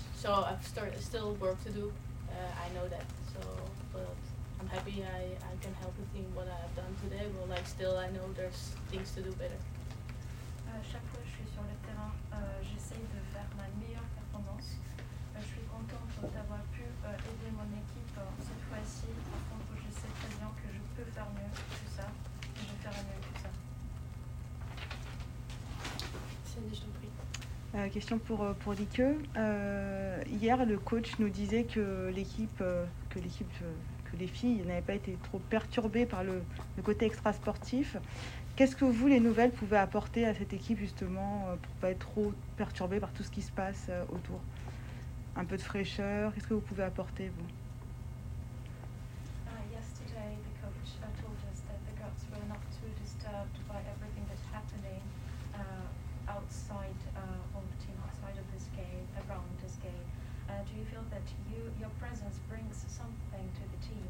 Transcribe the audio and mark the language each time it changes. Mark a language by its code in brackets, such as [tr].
[en] So I've still work to do. I know that. So, but I'm happy I can help the team what I've done today. But, like, still I know there's things to do better. [fr] Chaque fois que je suis sur le terrain, j'essaye de faire ma meilleure performance. Je suis contente d'avoir pu aider mon équipe cette fois-ci. Par contre, je sais très bien que je peux faire mieux que ça. Et je ferai mieux que ça. Cindy, je t'en prie. Question pour Lique. Hier, le coach nous disait que les filles n'avaient pas été trop perturbées par le côté extra-sportif. Qu'est-ce que vous, les nouvelles, pouvez apporter à cette équipe, justement, pour ne pas être trop perturbée par tout ce qui se passe autour? Un peu de fraîcheur, qu'est-ce que vous pouvez apporter, vous? [en] Yesterday, the coach told us that the girls were not too disturbed by everything that's happening outside on the team, outside of this game, around this game. Do you feel that your presence brings something to the team?